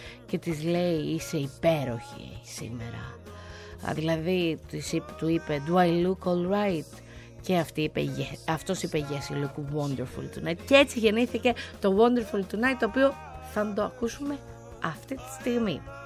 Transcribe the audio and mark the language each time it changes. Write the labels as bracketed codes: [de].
[el] Και της λέει, είσαι υπέροχη σήμερα. Δηλαδή του είπε [en] «Do I look all right?» [el] και αυτή είπε, αυτός είπε [en] «Yes, you look wonderful tonight». [el] Και έτσι γεννήθηκε το «Wonderful tonight», το οποίο θα το ακούσουμε αυτή τη στιγμή.